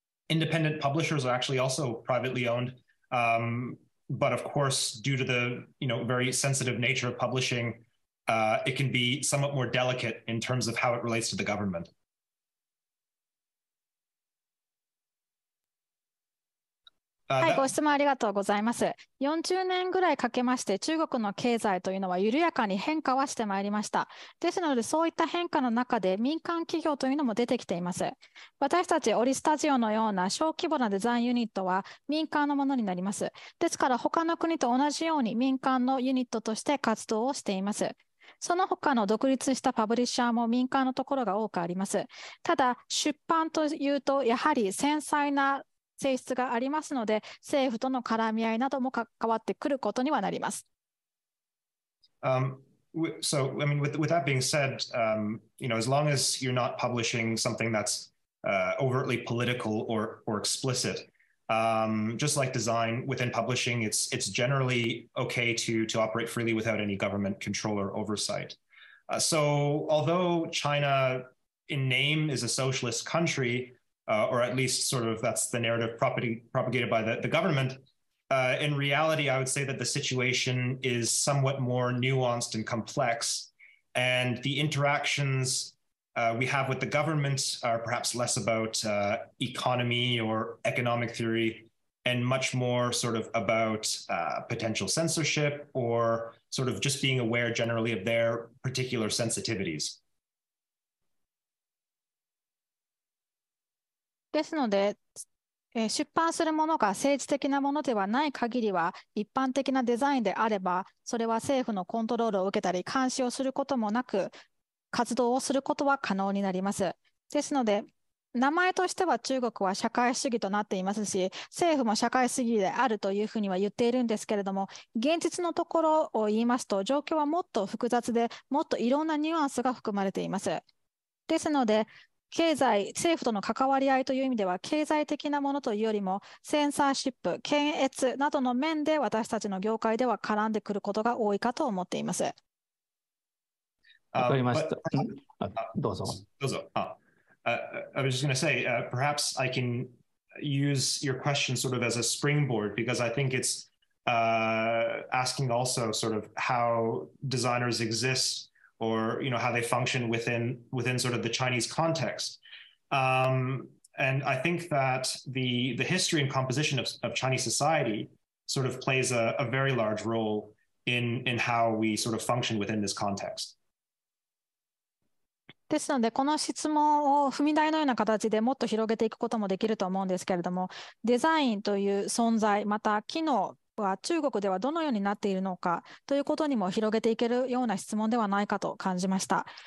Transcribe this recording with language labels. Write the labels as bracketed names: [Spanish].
[English] Independent publishers are actually also privately owned. But of course, due to the very sensitive nature of publishing, it can be somewhat more delicate in terms of how it relates to the government. [Japanese] はい、ご質問ありがとうございます。40年ぐらいかけまして中国の経済というのは緩やかに変化はしてまいりました。ですのでそういった変化の中で民間企業というのも出てきています。私たちオリスタジオのような小規模なデザインユニットは民間のものになります。ですから他の国と同じように民間のユニットとして活動をしています。その他の独立したパブリッシャーも民間のところが多くあります。ただ出版というとやはり繊細な性質がありますので、政府との絡み合いなども関わってくることにはなります。 [English] So, I mean, with that being said, you know, as long as you're not publishing something that's overtly political or explicit, just like design within publishing, it's generally okay to operate freely without any government control or oversight. So, although China in name is a socialist country,or at least sort of that's the narrative propagated by the government, in reality, I would say that the situation is somewhat more nuanced and complex, and the interactions we have with the government are perhaps less about economy or economic theory, and much more sort of about potential censorship or sort of just being aware generally of their particular sensitivities. [Japanese] ですので、出版するものが政治的なものではない限りは、一般的なデザインであれば、それは政府のコントロールを受けたり、監視をすることもなく、活動をすることは可能になります。ですので、名前としては中国は社会主義となっていますし、政府も社会主義であるというふうには言っているんですけれども、現実のところを言いますと、状況はもっと複雑で、もっといろんなニュアンスが含まれています。ですので、経済、政府との関わり合いという意味では経済的なものというよりもセンサーシップ、検閲などの面で私たちの業界では絡んでくることが多いかと思っています。わかりました。どうぞ。どうぞ。 [English] I was just going to say, perhaps I can use your question sort of as a springboard because I think it's asking also sort of how designers exist. Or you know, how they function within sort of the Chinese context. And I think that the history and composition of Chinese society sort of plays a very large role in how we sort of function within this context. [Japanese] ですので、この質問を踏み台のような形でもっと広げていくこともできると思うんですけれども、デザインという存在、また機能は中国ではどのようになっているのかということにも広げていけるような質問ではないかと感じました。